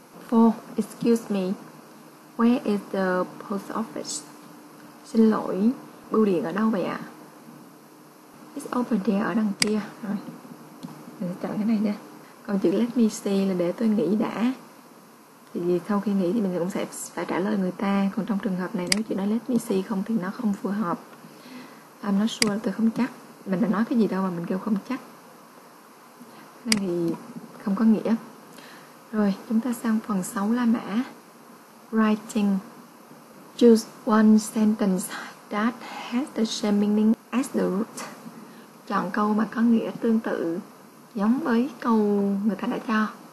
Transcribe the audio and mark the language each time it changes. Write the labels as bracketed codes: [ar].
[en] For, excuse me, where is the post office? [vi] Xin lỗi, bưu điện ở đâu vậy ạ? [en] It's over there, [vi] ở đằng kia. Rồi, mình sẽ chọn cái này nha. Còn chữ [en] let me see [vi] là để tôi nghĩ đã. Thì sau khi nghĩ thì mình cũng sẽ phải trả lời người ta. Còn trong trường hợp này nếu chữ nói [en] let me see [vi] không thì nó không phù hợp. [en] I'm not sure, [vi] tôi không chắc. Mình đã nói cái gì đâu mà mình kêu không chắc. Cái này thì không có nghĩa. Rồi, chúng ta sang phần 6 La Mã. [en] Writing. Choose one sentence that has the same meaning as the root. [vi] Chọn câu mà có nghĩa tương tự giống với câu người ta đã cho.